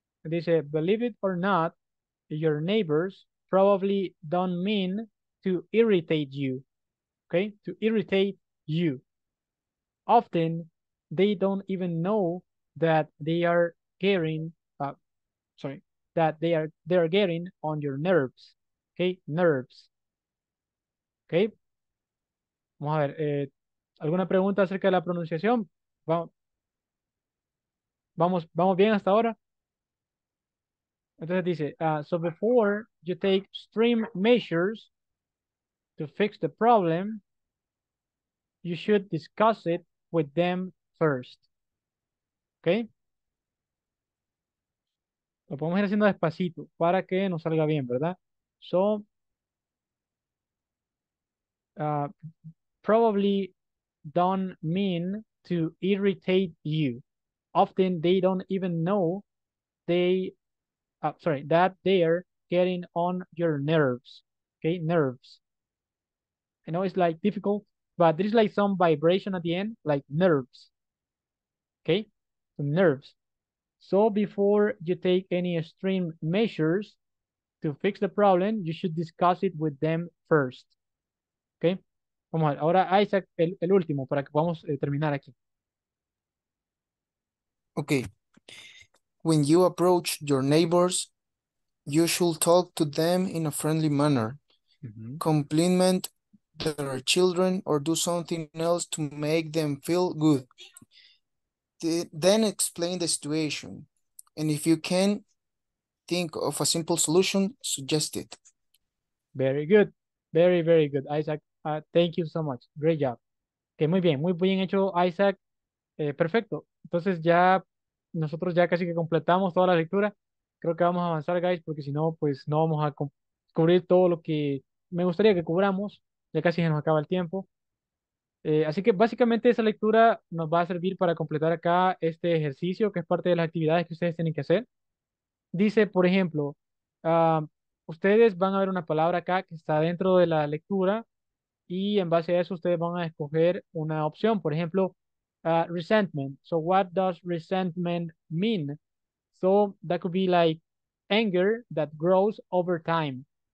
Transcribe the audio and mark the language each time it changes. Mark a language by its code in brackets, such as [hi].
[es] Dice, [en] believe it or not, your neighbors probably don't mean to irritate you. Okay, to irritate you. Often, they don't even know that they are getting, that they are getting on your nerves. Okay, nerves. Okay. [es] Vamos a ver, ¿alguna pregunta acerca de la pronunciación? ¿Vamos bien hasta ahora? Entonces dice, [en] so before you take extreme measures to fix the problem, you should discuss it with them first. ¿Okay? [es] Lo podemos ir haciendo despacito para que nos salga bien, ¿verdad? [en] So, probably don't mean to irritate you. Often they don't even know that they're getting on your nerves. Okay, nerves. I know it's like difficult, but there's like some vibration at the end, like nerves. Okay, so nerves. So before you take any extreme measures to fix the problem, you should discuss it with them first. Okay. [es] Vamos a ver, ahora Isaac, el último, para que podamos terminar aquí. [en] Okay. When you approach your neighbors, you should talk to them in a friendly manner. Mm-hmm. Compliment their children or do something else to make them feel good. Then explain the situation. And if you can think of a simple solution, suggest it. Very good. Very, very good, Isaac. Thank you so much. Great job. [es] Okay, muy bien hecho, Isaac. Perfecto. Entonces ya nosotros ya casi que completamos toda la lectura. Creo que vamos a avanzar, guys, porque si no, pues no vamos a cubrir todo lo que me gustaría que cubramos. Ya casi se nos acaba el tiempo. Así que básicamente esa lectura nos va a servir para completar acá este ejercicio, que es parte de las actividades que ustedes tienen que hacer. Dice, por ejemplo, ustedes van a ver una palabra acá que está dentro de la lectura. Y en base a eso, ustedes van a escoger una opción. Por ejemplo, [en] resentment. So, what does resentment mean? So, that could be like anger that grows over time.